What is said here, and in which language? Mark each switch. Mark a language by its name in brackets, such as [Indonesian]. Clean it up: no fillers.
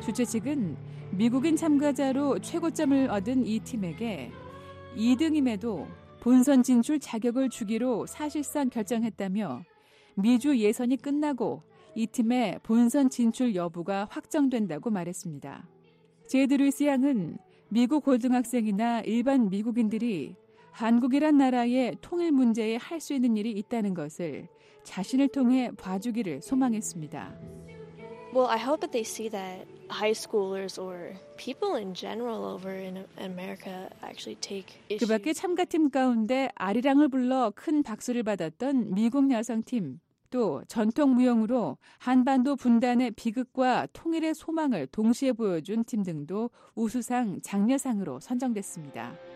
[Korean] 주최 측은 미국인 참가자로 최고점을 얻은 이 팀에게 2등임에도 본선 진출 자격을 주기로 사실상 결정했다며 미주 예선이 끝나고 이 팀의 본선 진출 여부가 확정된다고 말했습니다. 제드 루이스 양은 미국 고등학생이나 일반 미국인들이 한국이란 나라의 통일 문제에 할 수 있는 일이 있다는 것을 자신을 통해 봐주기를 소망했습니다. [English] Well, I hope that they see that high schoolers or people in general over in America actually take issue. [Korean] 그 밖에 참가팀 가운데 아리랑을 불러 큰 박수를 받았던 미국 여성팀 또 전통 무용으로 한반도 분단의 비극과 통일의 소망을 동시에 보여준 팀 등도 우수상, 장려상으로 선정됐습니다.